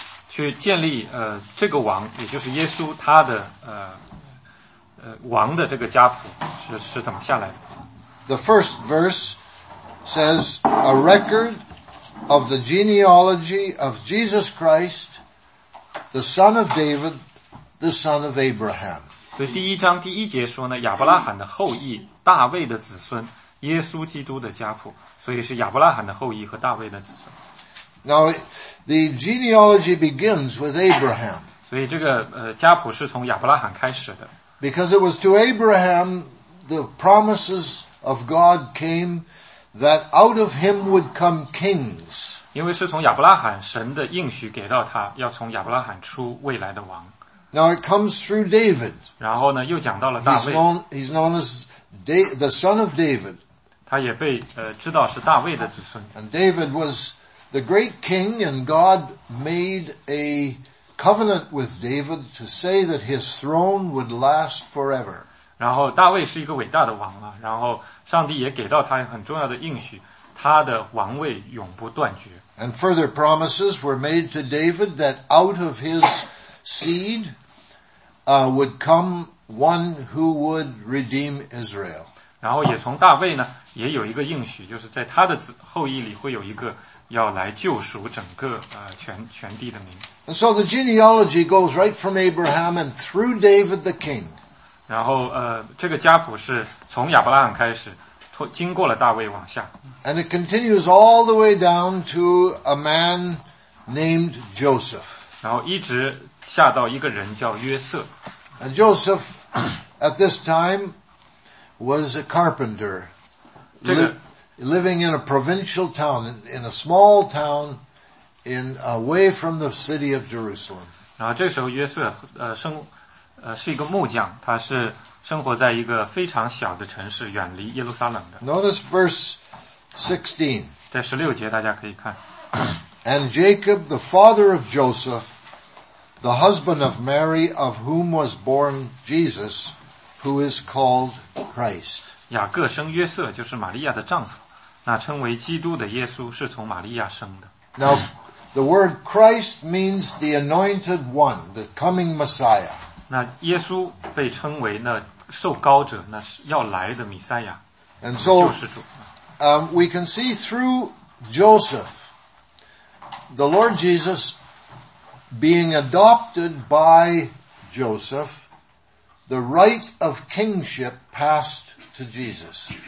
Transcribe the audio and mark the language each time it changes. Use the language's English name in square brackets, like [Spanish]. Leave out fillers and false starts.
[Chinese] 去建立这个王，也就是耶稣他的王的这个家谱是怎么下来的。 [English] The first verse says, a record of the genealogy of Jesus Christ, the son of David, the son of Abraham. [Chinese] 所以第一章第一节说呢，亚伯拉罕的后裔，大卫的子孙，耶稣基督的家谱，所以是亚伯拉罕的后裔和大卫的子孙。 [English] Now, the genealogy begins with Abraham. [Chinese] 所以这个家谱是从亚伯拉罕开始的。 [English] Because it was to Abraham the promises of God came that out of him would come kings. [Chinese] 因为是从亚伯拉罕神的应许给到他，要从亚伯拉罕出未来的王。 [English] Now it comes through David. [Chinese] 然后呢，又讲到了大卫。 [English] He's known as the son of David. [Chinese] 他也被知道是大卫的子孙。 [English] And David was the great king, and God made a covenant with David to say that his throne would last forever. [Chinese] 然后大卫是一个伟大的王了，然后上帝也给到他很重要的应许，他的王位永不断绝。 [English] And further promises were made to David that out of his seed, would come one who would redeem Israel. [Chinese] 然后也从大卫呢，也有一个应许，就是在他的子后裔里会有一个要来救赎整个全地的民。 [English] And so the genealogy goes right from Abraham and through David the king. [Chinese] 然后这个家谱是从亚伯拉罕开始。经过了大卫往下。 [English] And it continues all the way down to a man named Joseph. [Chinese] 然后一直下到一个人叫约瑟。 [English] And Joseph at this time was a carpenter, [Chinese] 这个、 [English] living in a provincial town, in a small town in away from the city of Jerusalem. [Chinese] 然后这个时候约瑟是一个木匠，他是生活在一个非常小的城市，远离耶路撒冷的。 [English] Notice verse 16. [Chinese] 在16节大家可以看。 [English] And Jacob, the father of Joseph, the husband of Mary, of whom was born Jesus, who is called Christ. [Chinese] 雅各生约瑟，就是玛利亚的丈夫，那称为基督的耶稣是从玛利亚生的。 [English] Now, the word Christ means the anointed one, the coming Messiah. [Chinese] 那耶稣被称为那受膏者，那要来的弥赛亚，救世主。 [English] We can see through Joseph, the Lord Jesus being adopted by Joseph, the right of kingship passed to Jesus.